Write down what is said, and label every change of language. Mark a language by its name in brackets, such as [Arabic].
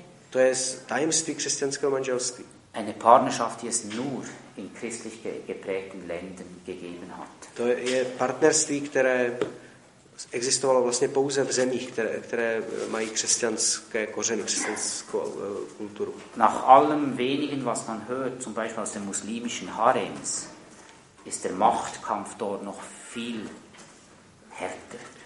[Czech] To je tajemství křesťanského manželství. [German] Eine Partnerschaft, die es nur in christlich geprägten Ländern gegeben hat. [Czech] To je partnerství, které existovalo vlastně pouze v zemích, které mají křesťanské kořeny, křesťanskou kulturu. [German] Nach allem wenigen, was man hört, zum Beispiel aus den muslimischen Harems, ist der Machtkampf dort noch viel härter.